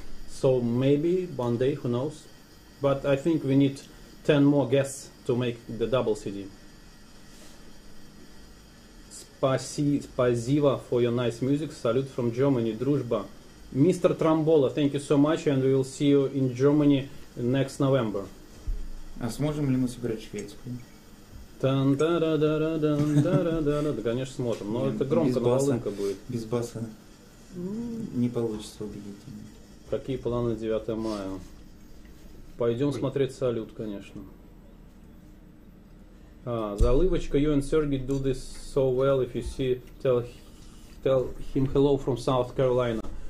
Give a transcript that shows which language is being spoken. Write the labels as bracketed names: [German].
[English] So maybe one day, who knows? But I think we need 10 more guests to make the double CD. Спасибо for your nice music. Salute from Germany, дружба. Mr. Trombola, thank you so much, and we will see you in Germany next November. [Russian] А сможем ли мы сыграть шведскую? Тан-да-да-да-да-да-да-да-да-да. Да, конечно, сможем, но это громко на волынка будет. Без баса. Не получится убедить. Какие планы 9 мая? Пойдем смотреть салют, конечно. [English] А, Залывочка, you and Sergey do this so well. If you see, tell him hello from South Carolina.